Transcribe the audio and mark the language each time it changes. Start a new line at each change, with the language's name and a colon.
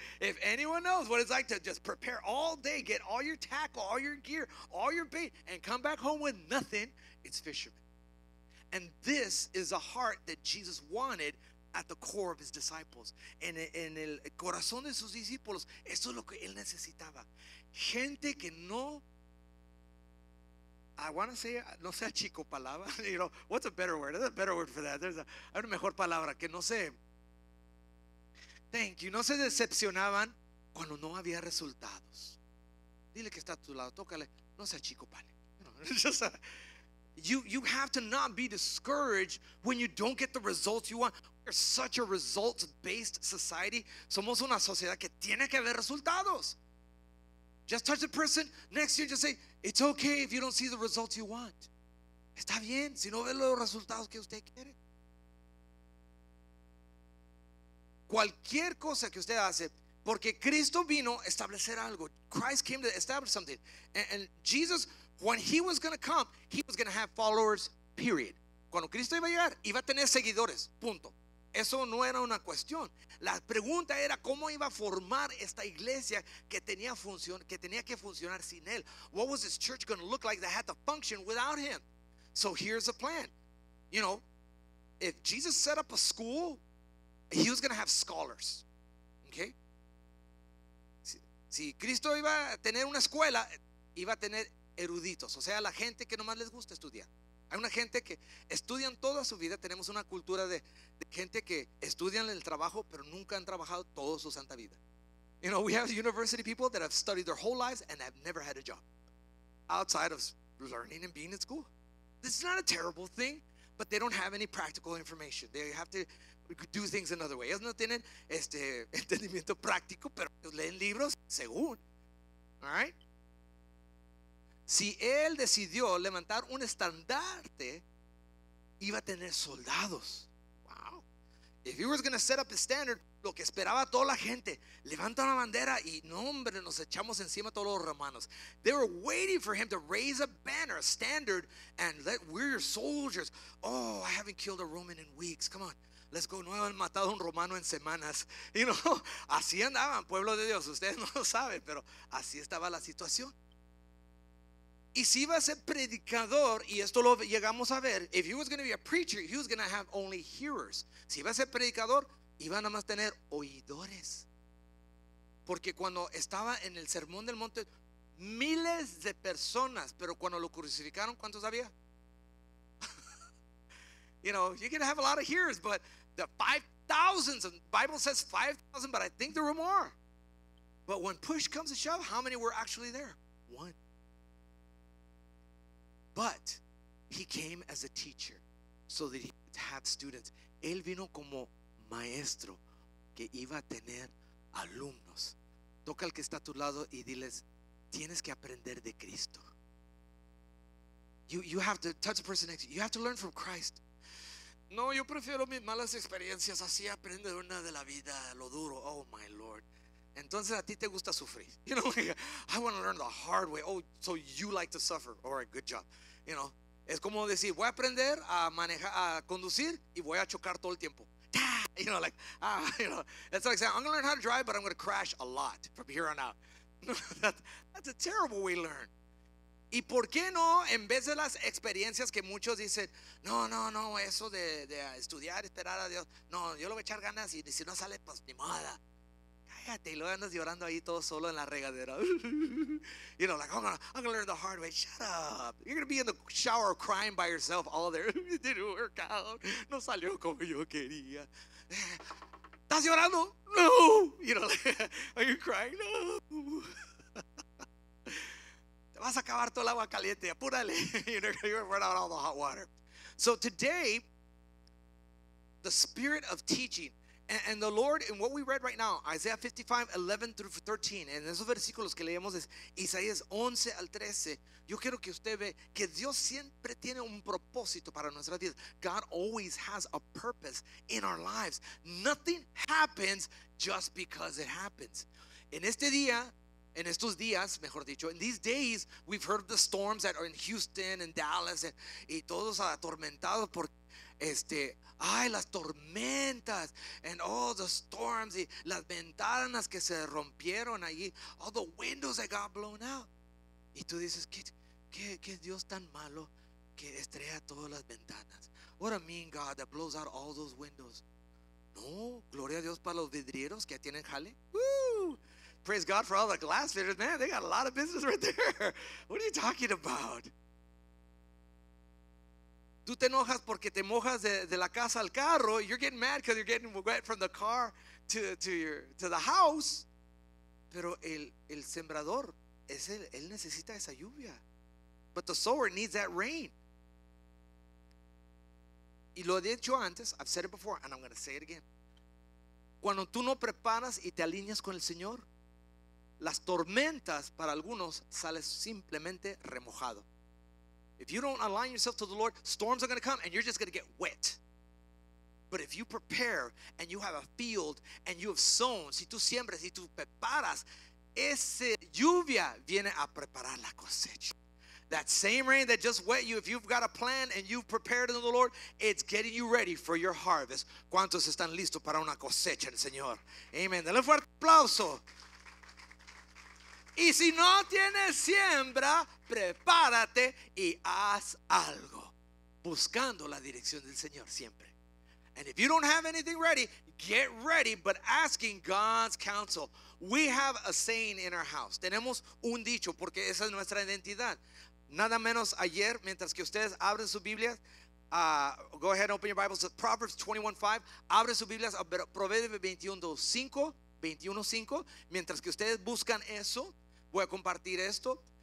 English: If anyone knows what it's like to just prepare all day, get all your tackle, all your gear, all your bait, and come back home with nothing, it's fishermen. And this is the heart that Jesus wanted at the core of his disciples.
Spanish: En el corazón de sus discípulos, esto es lo que él necesitaba. Gente que no,
English: I want to say,
Spanish: no sea chico palabra,
English: you know, what's a better word? There's a better word for that.
Spanish: Hay una mejor palabra, que no se,
English: thank you,
Spanish: no se decepcionaban cuando no había resultados. Dile que está a tu lado, tócale, no sea chico palabra.
English: You have to not be discouraged when you don't get the results you want. We're such a results-based society.
Spanish: Somos una sociedad que tiene que haber resultados.
English: Just touch the person next to you and just say, it's okay if you don't see the results you want.
Spanish: Está bien si no ve los resultados que usted quiere. Cualquier cosa que usted hace, porque Cristo vino a establecer algo.
English: Christ came to establish something. And Jesus, when he was going to come, he was going to have followers, period.
Spanish: Cuando Cristo iba a llegar, iba a tener seguidores, punto. Eso no era una cuestión. La pregunta era cómo iba a formar esta iglesia que tenía función, que tenía que funcionar sin él.
English: What was this church going to look like that had to function without him? So here's the plan. You know, if Jesus set up a school, he was going to have scholars. Okay?
Spanish: Si Cristo iba a tener una escuela, iba a tener eruditos, o sea, la gente que nomás les gusta estudiar. Hay una gente que estudian toda su vida. Tenemos una cultura de gente que estudian el trabajo, pero nunca han trabajado toda su santa vida.
English: You know, we have university people that have studied their whole lives and have never had a job outside of learning and being in school. This is not a terrible thing, but they don't have any practical information. They have to do things another way.
Spanish: Ellos no tienen entendimiento práctico, pero leen libros según.
English: All right?
Spanish: Si él decidió levantar un estandarte, iba a tener soldados.
English: Wow. If he was going to set up a standard,
Spanish: lo que esperaba toda la gente, levanta una bandera y no, hombre, nos echamos encima todos los romanos.
English: They were waiting for him to raise a banner, a standard, and let, we're your soldiers. Oh, I haven't killed a Roman in weeks. Come on. Let's go.
Spanish: No han matado a un romano en semanas.
English: You know,
Spanish: así andaban, pueblo de Dios. Ustedes no lo saben, pero así estaba la situación. Y si iba a ser predicador, y esto lo llegamos a ver,
English: if he was going to be a preacher, he was going to have only hearers.
Spanish: Si iba a ser predicador, iba nada más tener oidores. Porque cuando estaba en el Sermón del Monte, miles de personas, pero cuando lo crucificaron, ¿cuántos había?
English: You know, you're going to have a lot of hearers, but the 5,000, the Bible says 5,000, but I think there were more. But when push comes to shove, how many were actually there? One. But he came as a teacher so that he could have students.
Spanish: Él vino como maestro que iba a tener alumnos. Toca al que está a tu lado y diles, tienes que aprender de Cristo.
English: You have to touch the person next to you. You have to learn from Christ.
Spanish: No, yo prefiero mis malas experiencias. Así aprende una de la vida, lo duro.
English: Oh, my Lord.
Spanish: Entonces a ti te gusta sufrir.
English: You know, I want to learn the hard way. Oh, so you like to suffer. All right, good job. You know,
Spanish: es como decir, voy a aprender a manejar, a conducir, y voy a chocar todo el tiempo.
English: You know, like, you know, it's like saying, I'm going to learn how to drive, but I'm going to crash a lot from here on out. That's a terrible way to learn.
Spanish: ¿Y por qué no, en vez de las experiencias que muchos dicen, no, eso de estudiar, esperar a Dios, no, yo le voy a echar ganas, y si no sale, pues ni moda. cállate. Y luego andas llorando ahí todo solo en la regadera.
English: You know, like, I'm gonna learn the hard way. Shut up. You're gonna be in the shower crying by yourself all there. It didn't work out.
Spanish: No salió como yo quería. ¿Estás llorando? No.
English: You know, like, are you crying? No.
Spanish: Te vas a acabar todo el agua caliente. Apúrale.
English: You know, you're gonna run out all the hot water. So today, the spirit of teaching. And the Lord, in what we read right now, Isaiah 55, 11 through 13,
Spanish: en esos versículos que leemos es Isaías 11 al 13, yo quiero que usted ve que Dios siempre tiene un propósito para nuestras vidas.
English: God always has a purpose in our lives. Nothing happens just because it happens.
Spanish: En este día, en estos días, mejor dicho,
English: in these days, we've heard of the storms that are in Houston and Dallas,
Spanish: y todos atormentados por ay, las tormentas,
English: and all the storms,
Spanish: y las ventanas que se rompieron allí,
English: all the windows that got blown out.
Spanish: Y tú dices, ¿qué Dios tan malo que estrella todas las ventanas?
English: What a mean God that blows out all those windows.
Spanish: No, gloria a Dios para los vidrieros que tienen jale.
English: Woo! Praise God for all the glass fitters. Man, they got a lot of business right there. What are you talking about?
Spanish: Tú te enojas porque te mojas de la casa al carro.
English: You're getting mad because you're getting wet from the car to the house.
Spanish: Pero el sembrador, él necesita esa lluvia.
English: But the sower needs that rain.
Spanish: Y lo he dicho antes,
English: I've said it before, and I'm going to say it again.
Spanish: Cuando tú no preparas y te alineas con el Señor, las tormentas para algunos sales simplemente remojado.
English: If you don't align yourself to the Lord, storms are going to come and you're just going to get wet. But if you prepare and you have a field and you have sown,
Spanish: si tú siembras y tú preparas, esa lluvia viene a preparar la cosecha.
English: That same rain that just wet you, if you've got a plan and you've prepared in the Lord, it's getting you ready for your harvest.
Spanish: ¿Cuántos están listos para una cosecha, el Señor? Amen. Dale un fuerte aplauso. Y si no tienes siembra, prepárate y haz algo, buscando la dirección del Señor siempre.
English: And if you don't have anything ready, get ready, but asking God's counsel. We have a saying in our house.
Spanish: Tenemos un dicho, porque esa es nuestra identidad. Nada menos ayer, mientras que ustedes abren su Biblia,
English: go ahead and open your Bibles to Proverbs 21:5.
Spanish: Abre su Biblia a Proverbios 21:5. Mientras que ustedes buscan eso, voy a compartir esto.